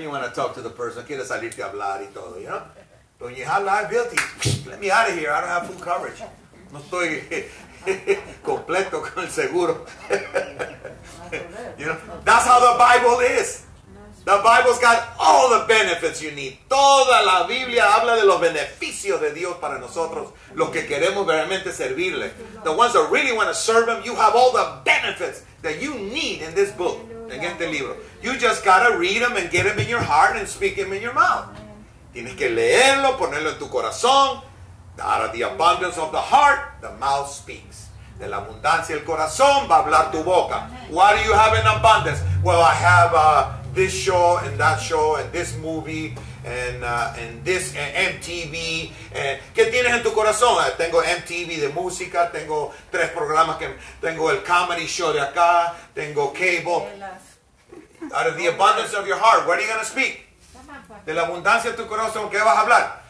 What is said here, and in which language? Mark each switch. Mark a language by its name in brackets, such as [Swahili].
[English] You want to talk to the person. [Spanish] Quiere salirte a hablar y todo, [English] you know? But when you have liability, let me out of here. I don't have full coverage. [Spanish] No estoy completo con el seguro. You know? [English] That's how the Bible is. The Bible's got all the benefits you need. [Spanish] Toda la Biblia habla de los beneficios de Dios para nosotros, los que queremos realmente servirle. [English] The ones that really want to serve Him, you have all the benefits that you need in this book, [Spanish] en este libro. [English] You just gotta read them and get them in your heart and speak them in your mouth. [Spanish] Tienes que leerlo, ponerlo en tu corazón. [English] Out of the abundance of the heart, the mouth speaks. [Spanish] De la abundancia el corazón va a hablar tu boca. [English] What do you have in abundance? Well, I have this show and that show and this movie and this MTV. [Spanish] ¿Qué tienes en tu corazón? Tengo MTV de música. Tengo tres programas. Tengo el comedy show de acá. Tengo cable. [English] Out of the abundance of your heart, what are you going to speak? [Spanish] De la abundancia de tu corazón, ¿qué vas a hablar?